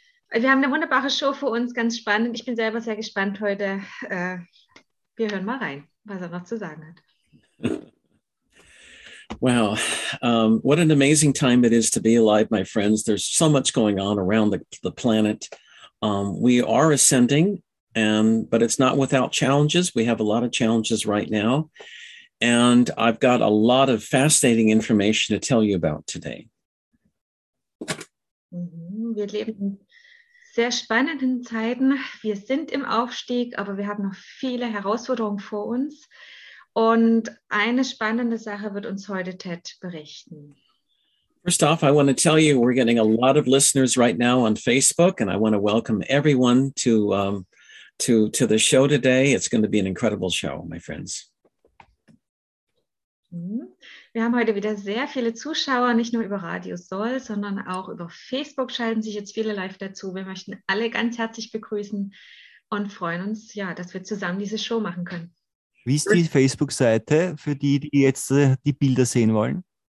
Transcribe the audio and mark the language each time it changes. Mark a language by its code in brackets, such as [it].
[de] Wir haben eine wunderbare Show für uns, ganz spannend. Ich bin selber sehr gespannt heute. Wir hören mal rein, was noch zu sagen hat. [en] Wow, what an amazing time it is to be alive, my friends. There's so much going on around the planet. We are ascending, but it's not without challenges. We have a lot of challenges right now. And I've got a lot of fascinating information to tell you about today. [de] Wir leben in sehr spannenden Zeiten. Wir sind im Aufstieg, aber wir haben noch viele Herausforderungen vor uns. Und eine spannende Sache wird uns heute Ted berichten. [en] First off, I want to tell you we're getting a lot of listeners right now on Facebook, and I want to welcome everyone to the show today. It's going to be an incredible show, my friends. [de] Wir haben heute wieder sehr viele Zuschauer, nicht nur über Radio Soul, sondern auch über Facebook schalten sich jetzt viele live dazu. Wir möchten alle ganz herzlich begrüßen und freuen uns, ja, dass wir zusammen diese Show machen können. Wie ist die Facebook-Seite für die, die jetzt die Bilder sehen wollen?